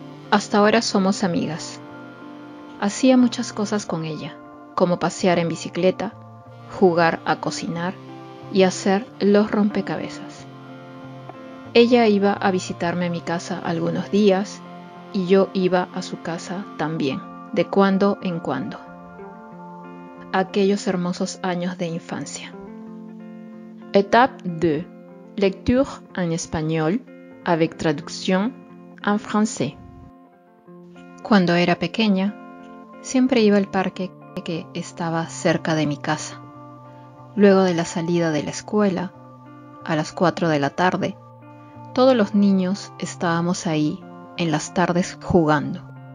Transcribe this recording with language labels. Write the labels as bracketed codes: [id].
[es] Hasta ahora somos amigas. Hacía muchas cosas con ella, como pasear en bicicleta, jugar a cocinar y hacer los rompecabezas. Ella iba a visitarme a mi casa algunos días y yo iba a su casa también, de cuando en cuando. Aquellos hermosos años de infancia. [fr] Étape 2. Lecture en español avec traducción en français. [es] Cuando era pequeña, siempre iba al parque que estaba cerca de mi casa. Luego de la salida de la escuela, a las 4 de la tarde, todos los niños estábamos ahí en las tardes jugando.